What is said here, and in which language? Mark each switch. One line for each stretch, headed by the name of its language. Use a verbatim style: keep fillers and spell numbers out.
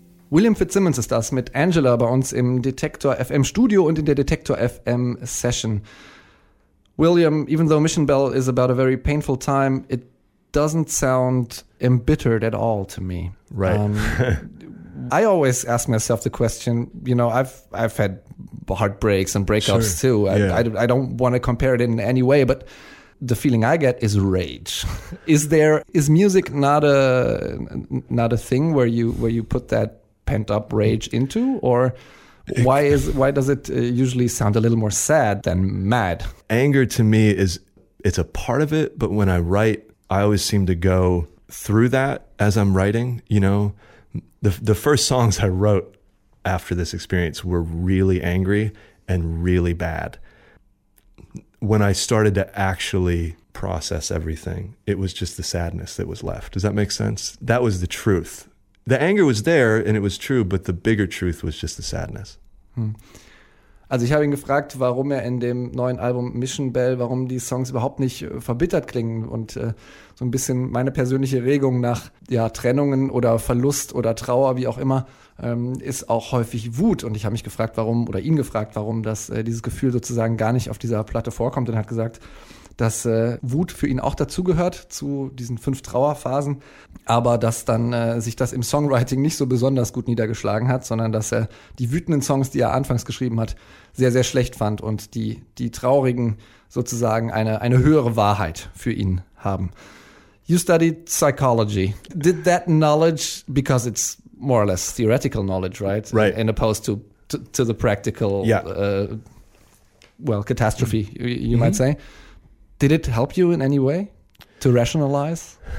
German: William Fitzsimmons ist das mit Angela bei uns im Detektor F M Studio und in der Detektor F M Session.
English: William, even though Mission Bell is about a very painful time, it doesn't sound embittered at all to me. Right. Um, I always ask myself the question, you know, I've I've had heartbreaks and breakups sure. too. I, yeah. I, I don't want to compare it in any way, but the feeling I get is rage. Is there is music not a not a thing where you where you put that pent up rage into, or why is why does it usually sound a little more sad than mad? Anger to me is it's a part of it, but when I write, I always seem to go through that as I'm writing, you know. The the first songs I wrote after this experience were really angry and really bad. When I started to actually process everything, it was just the sadness that was left. Does that make sense? That was the truth. The anger was there and it was true, but the bigger truth was just the sadness. Hm.
German: Also ich habe ihn gefragt, warum er in dem neuen Album Mission Bell, warum die Songs überhaupt nicht verbittert klingen, und äh, so ein bisschen meine persönliche Regung nach ja, Trennungen oder Verlust oder Trauer, wie auch immer, ähm, ist auch häufig Wut. Und ich habe mich gefragt, warum, oder ihn gefragt, warum das, äh, dieses Gefühl sozusagen gar nicht auf dieser Platte vorkommt, und er hat gesagt, dass äh, Wut für ihn auch dazugehört, zu diesen fünf Trauerphasen, aber dass dann äh, sich das im Songwriting nicht so besonders gut niedergeschlagen hat, sondern dass er die wütenden Songs, die er anfangs geschrieben hat, sehr, sehr schlecht fand und die, die traurigen sozusagen eine, eine höhere Wahrheit für ihn haben.
English: You studied psychology. Did that knowledge, because it's more or less theoretical knowledge, right? Right. And opposed to, to, to the practical, yeah. uh, well, catastrophe, you, you mm-hmm. might say. Did it help you in any way to rationalize?